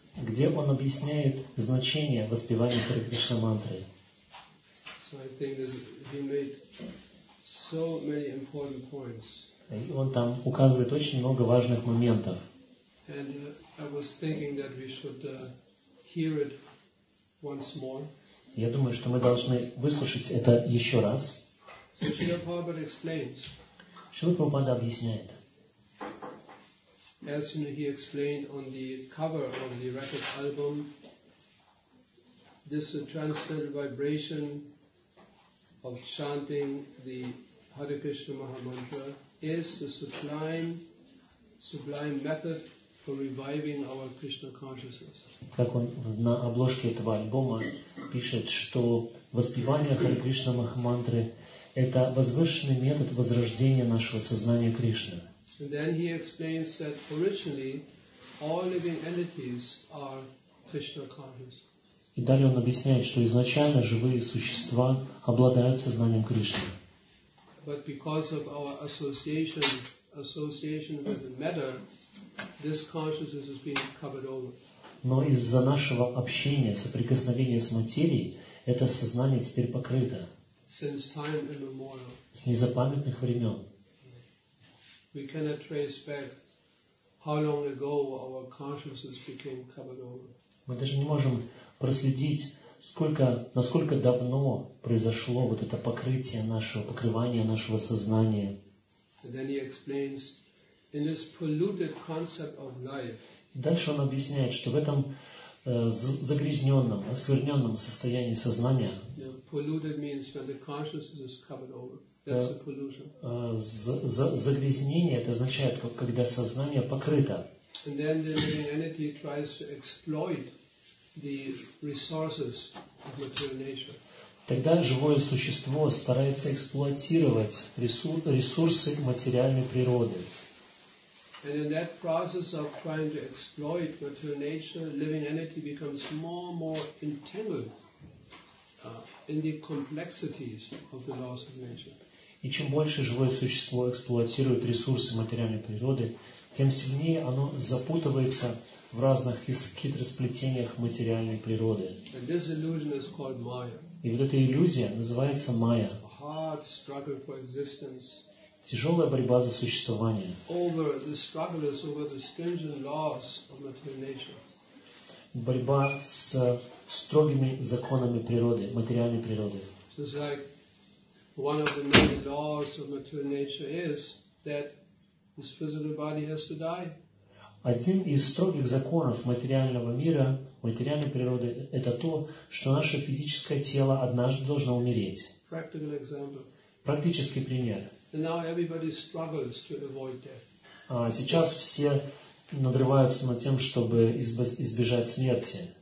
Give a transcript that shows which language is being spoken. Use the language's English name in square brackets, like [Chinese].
[Russian] Где он объясняет значение воспевания Хари Кришна мантры. [English] So I think that he made so many important points. [Russian] И он там указывает очень много важных моментов. [English] And I was thinking that we should hear it once more. [Russian] Я думаю, что мы должны выслушать это еще раз. [English] So Srila Prabhupada explains. [Russian] Шрила Прабхупада объясняет. [English] As you know, he explained on the cover of the record album, this transcendental vibration of chanting the Hare Krishna Mahamantra is the sublime method for reviving our Krishna consciousness. [Russian] Как он на обложке этого альбома пишет, что воспевание Хари Кришна Махамантры это возвышенный метод возрождения нашего сознания Кришны. [English] And then he explains that originally all living entities are Krishna conscious. [Russian] И далее он объясняет, что изначально живые существа обладают сознанием Кришны. [English] But because of our association with the matter, this consciousness is being covered over. [Russian] Но из-за нашего общения, соприкосновения с материей, это сознание теперь покрыто. [English] Since time immemorial. [Russian] С незапамятных времен. [English] We cannot trace back how long ago our consciousness became covered over. [Russian] Мы даже не можем проследить, насколько давно произошло вот это покрывание нашего сознания. [English] And then he explains, in this polluted concept of life. [Russian] И дальше он объясняет, что в этом загрязненном, оскверненном состоянии сознания. [English] Polluted means when the consciousness is covered over. That's the pollution. [Russian] Загрязнение это означает, когда сознание покрыто. [English] And then the living entity tries to exploit the resources of material nature. [Russian] Тогда живое существо старается эксплуатировать ресурсы материальной природы. [English] And in that process of trying to exploit material nature, living entity becomes more and more entangled in the complexities of the laws of nature. [Russian] И чем больше живое существо эксплуатирует ресурсы материальной природы, тем сильнее оно запутывается в разных хитросплетениях материальной природы. [English] And this illusion is called Maya. [Russian] И вот эта иллюзия называется Майя. [English] Hard struggle for existence. [Russian] Тяжелая борьба за существование. [English] Over the struggle is over the stringent laws of material nature. [Russian] Борьба с строгими законами природы, материальной природы. [English] So it's like one of the many laws of material nature is that this physical body has to die. [Russian] Один из строгих законов материального мира, материальной природы, это то, что наше физическое тело однажды должно умереть. [English] Practical example. [Russian] Практический пример. [English] And now everybody struggles to avoid death. [Russian] А сейчас все надрываются над тем, чтобы избежать смерти.